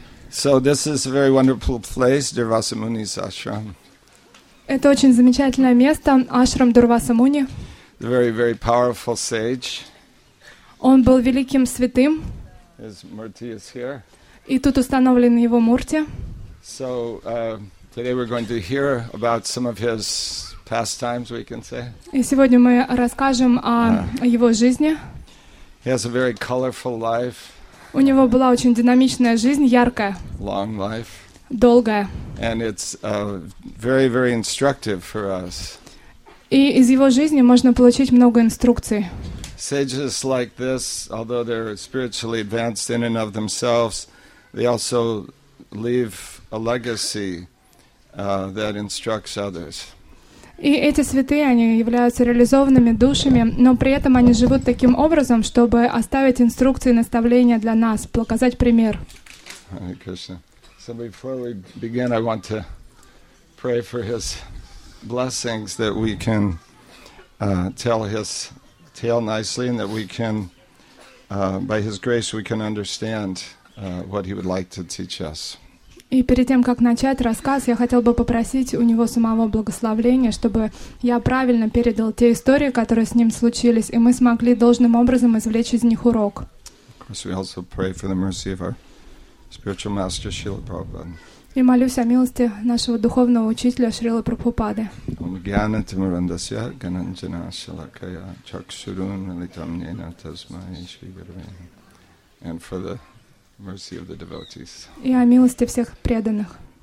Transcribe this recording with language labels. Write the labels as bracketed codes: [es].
[en] So this is a very wonderful place, Durvasa Muni's ashram. [ru] Это очень замечательное место, ашрам Дурваса Муни. [en] The very, very powerful sage. [ru] Он был великим святым. [en] His murti is here. [ru] И тут установлен его мурти. [en] So today we're going to hear about some of his pastimes, we can say. [ru] И сегодня мы расскажем о его жизни. [en] He has a very colorful life. [ru] У него была очень динамичная жизнь, яркая. [en] Long life. [ru] Долгая. [en] And it's very, very instructive for us. [ru] И из его жизни можно получить много инструкций. [en] Sages like this, although they're spiritually advanced in and of themselves, they also leave a legacy that instructs others. [ru] И эти святые, они являются реализованными душами, но при этом они живут таким образом, чтобы оставить инструкции и наставления для нас, показать пример. [en] Hare Krishna. So before we begin, I want to pray for his blessings that we can tell his tale nicely and that we can, by his grace, we can understand what he would like to teach us. [ru] И перед тем, как начать рассказ, я хотел бы попросить у него самого благословения, чтобы я правильно передал те истории, которые с ним случились, и мы смогли должным образом извлечь из них урок. [en] Of course, we also pray for the mercy of our spiritual master, Srila Prabhupada. [ru] И молюсь о милости нашего духовного учителя Шрилы Прабхупады. [sa] Ом гьянатам рандасья гананджана шалакая чакшурун литам нена тасмай шри гурвей. [en] And for the mercy of the devotees. [ru] И о милости всех преданных.